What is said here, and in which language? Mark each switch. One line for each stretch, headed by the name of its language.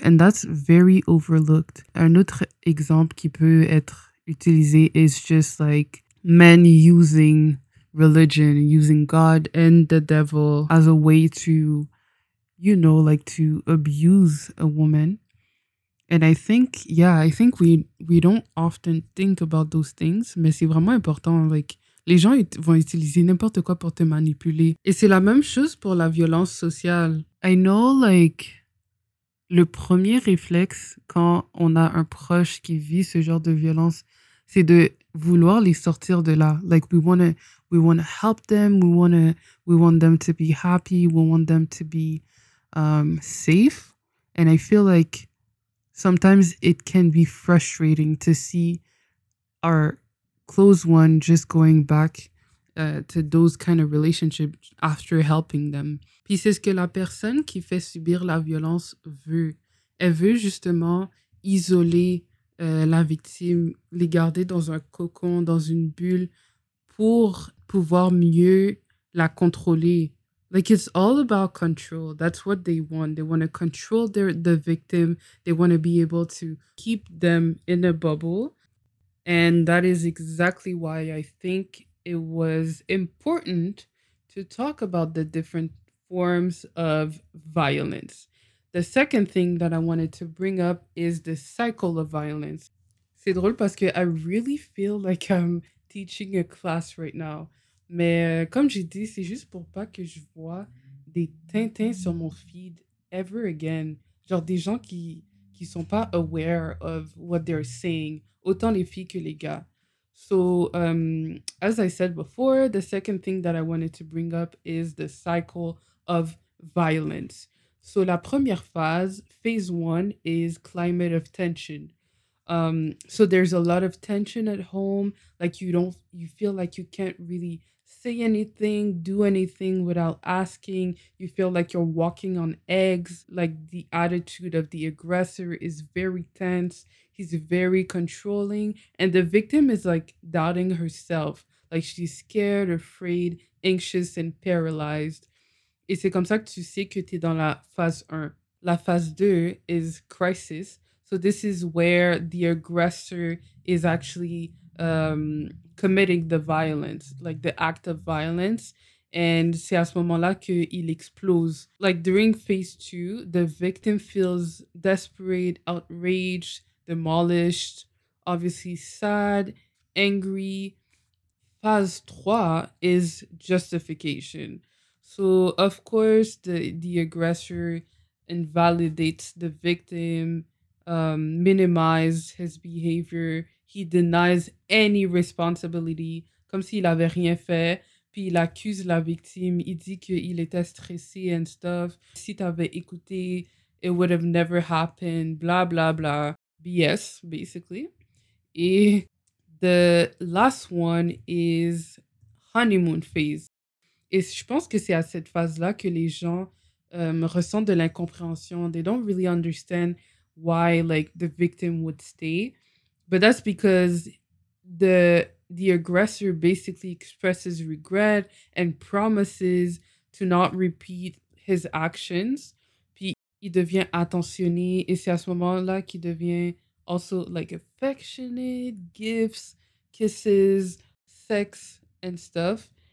English: And that's very overlooked.
French: Un autre exemple qui peut être utilisé
English: is just like men using religion, using God and the devil as a way to, you know, like to abuse a woman. And I think we don't often think about those things,
French: mais c'est vraiment important.
English: Like,
French: Les gens vont utiliser n'importe quoi pour te manipuler. Et c'est la même chose pour la violence sociale.
English: I know, like,
French: le premier réflexe quand on a un proche qui vit ce genre de violence, c'est de vouloir les sortir de là.
English: Like, we wanna help them, we want them to be happy, we want them to be safe. And I feel like sometimes it can be frustrating to see our close one just going back to those kind of relationships after helping them.
French: Puis c'est ce que la personne qui fait subir la violence veut. Elle veut justement isoler la victime, les garder dans un cocon, dans une bulle, pour pouvoir mieux la contrôler.
English: Like, it's all about control. That's what they want. They want to control the victim. They want to be able to keep them in a bubble. And that is exactly why I think it was important to talk about the different forms of violence. The second thing that I wanted to bring up is the cycle of violence.
French: C'est drôle parce que
English: I really feel like I'm teaching a class right now.
French: Mais comme j'ai dit, c'est juste pour pas que je vois des tintins sur mon feed
English: ever again.
French: Genre des gens qui sont pas
English: aware of what they're saying,
French: autant les filles que les gars.
English: So, as I said before, the second thing that I wanted to bring up is the cycle of violence. So,
French: la première phase,
English: phase one, is climate of tension. So there's a lot of tension at home. Like, you feel like you can't really say anything, do anything without asking. You feel like you're walking on eggs. Like, the attitude of the aggressor is very tense. He's very controlling. And the victim is, like, doubting herself. Like, she's scared, afraid, anxious, and paralyzed.
French: Et c'est comme ça que tu sais que t'es dans la phase 1. La phase 2
English: is crisis. So this is where the aggressor is actually committing the violence, like the act of violence. And
French: c'est à ce moment-là qu'il explose.
English: Like during phase 2, the victim feels desperate, outraged, demolished, obviously sad, angry. Phase 3 is justification. So of course the aggressor invalidates the victim, minimizes his behavior, he denies any responsibility,
French: comme s'il avait rien fait, puis il accuse la victime, il dit qu'il était stressé
English: and stuff,
French: si t'avais écouté,
English: it would have never happened, blah blah blah, BS basically. Et the last one is honeymoon phase.
French: Et je pense que c'est à cette phase-là que les gens ressentent de l'incompréhension.
English: They don't really understand why, like, the victim would stay. But that's because the aggressor basically expresses regret and promises to not repeat his actions.
French: Puis il devient attentionné. Et c'est à ce moment-là qu'il devient
English: also, like, affectionate, gifts, kisses, sex, and stuff.